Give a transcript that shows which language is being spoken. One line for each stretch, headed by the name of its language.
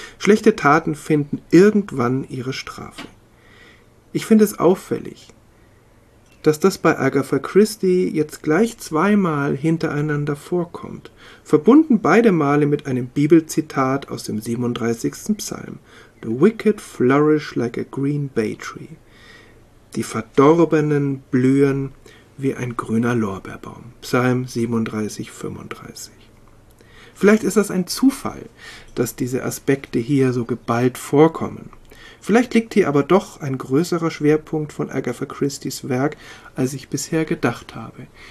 German: Schlechte Taten finden irgendwann ihre Strafe. Ich finde es auffällig, dass das bei Agatha Christie jetzt gleich 2-mal hintereinander vorkommt, verbunden beide Male mit einem Bibelzitat aus dem 37. Psalm.
English: The wicked flourish like a green bay tree.
German: Die Verdorbenen blühen wie ein grüner Lorbeerbaum. Psalm 37, 35. Vielleicht ist das ein Zufall, dass diese Aspekte hier so geballt vorkommen. Vielleicht liegt hier aber doch ein größerer Schwerpunkt von Agatha Christies Werk, als ich bisher gedacht habe.